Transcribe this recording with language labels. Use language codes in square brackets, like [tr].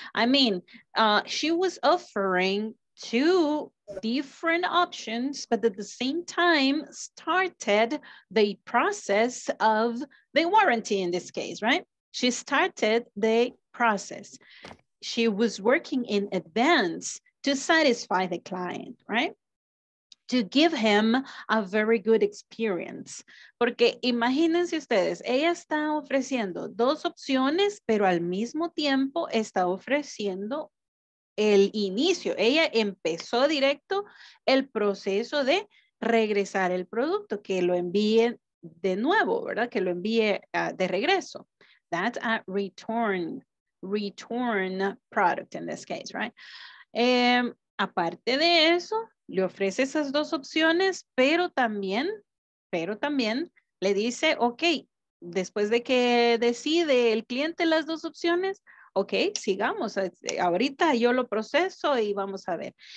[en] I mean, she was offering two different options, but at the same time started the process of the warranty in this case, right? She started the process. She was working in advance to satisfy the client, right? To give him a very good experience. [es] Porque imagínense ustedes, ella está ofreciendo dos opciones, pero al mismo tiempo está ofreciendo el inicio. Ella empezó directo el proceso de regresar el producto, que lo envíe de nuevo, ¿verdad? Que lo envíe de regreso. [en] That's a return product in this case, right? [es] Aparte de eso, le ofrece esas dos opciones, pero también le dice, ok, después de que decide el cliente las dos opciones, ok, sigamos, ahorita yo lo proceso y vamos a ver.